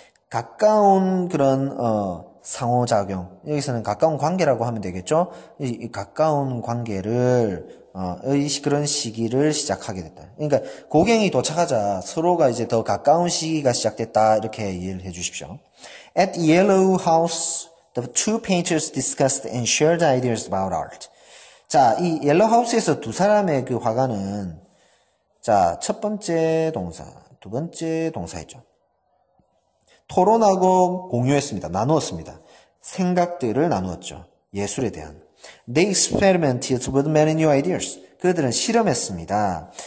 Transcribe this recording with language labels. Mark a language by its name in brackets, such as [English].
[Korean] 가까운 그런 상호작용, 여기서는 가까운 관계라고 하면 되겠죠? 이 가까운 관계를 그런 시기를 시작하게 됐다. 그러니까 고갱이 도착하자 서로가 이제 더 가까운 시기가 시작됐다 이렇게 이해를 해주십시오. [English] At Yellow House, the two painters discussed and shared ideas about art. [Korean] 자, 이 옐로우 하우스에서 두 사람의 그 화가는 자, 첫 번째 동사, 두 번째 동사였죠. 토론하고 공유했습니다. 나누었습니다. 생각들을 나누었죠. 예술에 대한. [English] They experimented with many new ideas. [Korean] 그들은 실험했습니다.